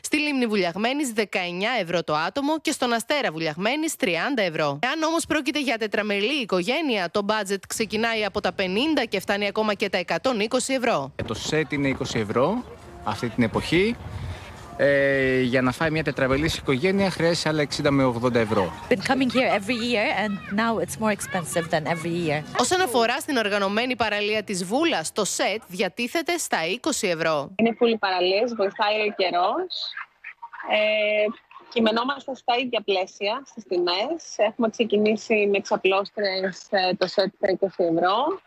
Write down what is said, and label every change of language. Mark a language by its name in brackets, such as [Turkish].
[Greek] Στη Λίμνη Βουλιαγμένης 19 ευρώ το άτομο και στον Αστέρα Βουλιαγμένης 30 ευρώ. Εάν όμως πρόκειται για τετραμελή οικογένεια, το μπάτζετ ξεκινάει από τα 50 και φτάνει ακόμα και τα 120 ευρώ. Το σετ είναι 20 ευρώ αυτή την εποχή. Για να φάει μια τετραβελής οικογένεια χρειάζεται άλλα 60 με 80 ευρώ. [English] Been coming here every year and now it's more expensive than every year. [Greek] Όσον αφορά στην οργανωμένη παραλία της Βούλας, το σετ διατίθεται στα 20 ευρώ. Είναι πολύ παραλίες, βοηθάει ο καιρός. Κειμενόμαστε στα ίδια πλαίσια στις τιμές. Έχουμε ξεκινήσει με εξαπλώστρες το σετ 20 ευρώ.